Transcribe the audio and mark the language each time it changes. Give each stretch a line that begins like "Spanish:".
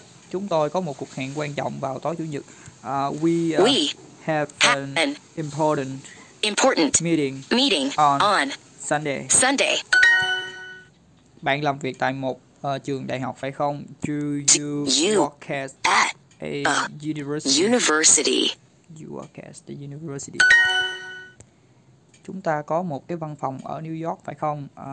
Vietnamese: Chúng tôi có một cuộc hẹn quan trọng vào tối chủ nhật.
English: We have an important meeting on Sunday.
Vietnamese: Bạn làm việc tại một trường đại học phải không?
English: Do you work at a university? You work at the university.
Vietnamese: Chúng ta có một cái văn phòng ở New York phải không?